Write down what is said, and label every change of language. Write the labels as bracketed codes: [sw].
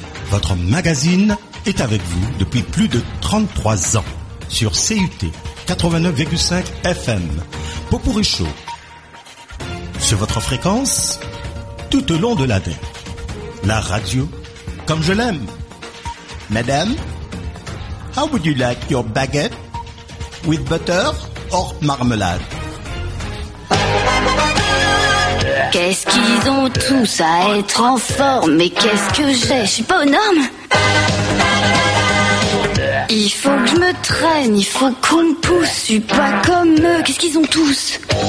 [fr] Votre magazine est avec vous depuis plus de 33 ans. Sur CUT 89,5 FM, Popourri Show, sur votre fréquence, tout au long de l'année, la radio, comme je l'aime. [en] Madame, how would you like your baguette, with butter or marmelade? [fr] Qu'est-ce qu'ils ont tous à être en forme, mais qu'est-ce que j'ai, je suis pas un homme. Il faut que je me traîne, il faut qu'on me pousse. Je suis pas comme eux, qu'est-ce qu'ils ont tous?